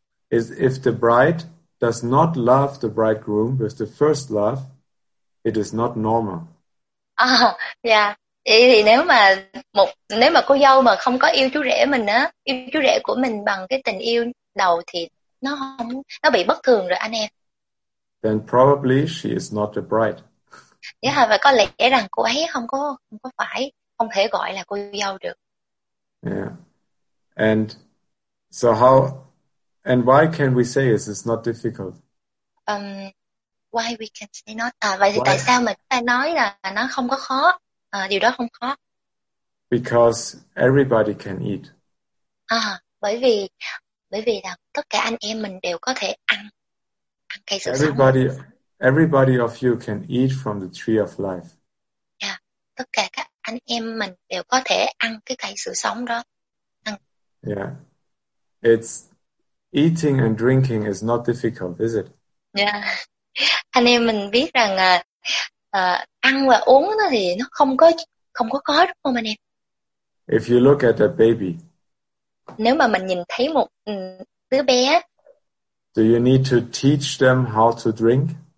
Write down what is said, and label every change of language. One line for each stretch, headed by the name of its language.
English: Is if the bride does not love the bridegroom with the first love, it is not normal.
Vietnamese: Thì nếu mà cô dâu mà không có yêu chú rể mình á, yêu chú rể của mình bằng cái tình yêu đầu thì nó bị bất thường rồi anh em.
English: Then probably she is not a bride.
Vietnamese: Yeah, và có lẽ rằng cô ấy không có phải, không thể gọi là cô dâu được. Yeah.
English: And so how and why can we say this is not difficult? Why we can say not?
Vietnamese: Vậy thì why? Tại sao mà chúng ta nói là nó không có khó? Điều đó không khó.
English: Because everybody can eat.
Vietnamese: Bởi vì là tất cả anh em mình đều có thể ăn cây sự sống.
English: Everybody of you can eat from the tree of life.
Vietnamese: Yeah, tất cả các anh em mình đều có thể ăn cái cây sự sống đó. Yeah.
English: It's eating and drinking is not difficult, is it? Yeah.
Vietnamese: Anh em mình biết rằng ăn và uống nó thì nó không có khó đúng không anh em?
English: If you look at a baby.
Vietnamese: Nếu mà mình nhìn thấy một đứa bé.
English: Do you need to teach them how to drink?